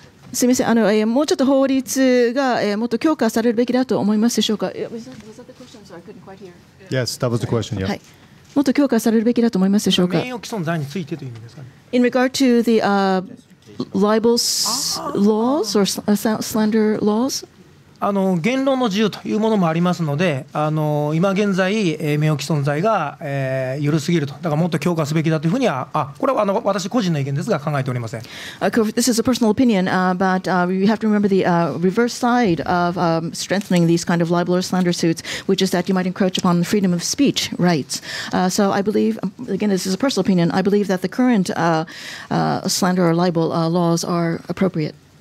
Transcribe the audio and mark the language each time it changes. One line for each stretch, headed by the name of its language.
Japanese: すみません、もうちょっと法律が、もっと強化されるべきだと思いますでしょうか。
English: Yes, that was the question, yeah.
Japanese: はい、もっと強化されるべきだと思いますでしょうか。名誉毀損罪についてという意味ですかね。
English: In regard to the libel laws or slander laws?
Japanese: あの言論の自由というものもありますので、あの今現在、名誉毀損罪が、緩すぎると、だからもっと強化すべきだというふうには、あ、これはあの私個人の意見ですが考えておりません。
English: This is a personal opinion, but you have to remember the reverse side of strengthening these kind of libel or slander suits, which is that you might encroach upon the freedom of speech rights. So I believe, again, this is a personal opinion, I believe that the current slander or libel laws are appropriate.